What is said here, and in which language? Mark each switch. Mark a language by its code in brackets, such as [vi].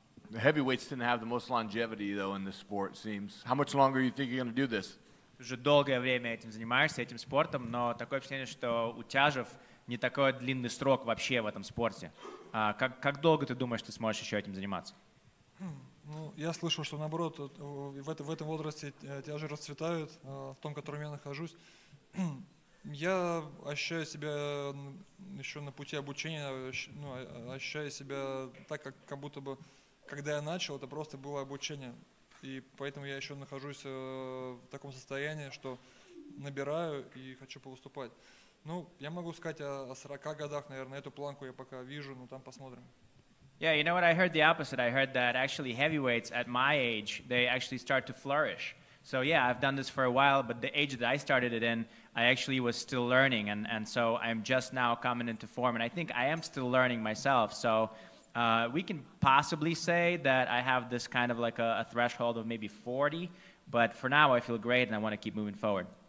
[en] The heavyweights didn't have the most longevity, though, in this sport, it seems. How much longer do you think you're going to do this? [ru] Уже долгое время этим занимаешься, этим спортом, но такое ощущение, что у тяжев не такой длинный срок вообще в этом спорте. Как долго ты думаешь, ты сможешь еще этим заниматься? Ну, я слышал, что наоборот, в этом возрасте тяжи расцветают, в том, в котором я нахожусь. Я ощущаю себя еще на пути обучения, ощущаю себя так, как будто бы, когда я начал, это просто было обучение. И поэтому я еще нахожусь в таком состоянии, что набираю и хочу повыступать. Ну, я могу сказать о 40 годах, наверное, эту планку я пока вижу, но там посмотрим. [en] Yeah, you know what, I heard the opposite. I heard that actually heavyweights at my age, they actually start to flourish. So yeah, I've done this for a while, but the age that I started it in, I actually was still learning, and so I'm just now coming into form, and I think I am still learning myself. So we can possibly say that I have this kind of like a threshold of maybe 40, but for now I feel great and I want to keep moving forward.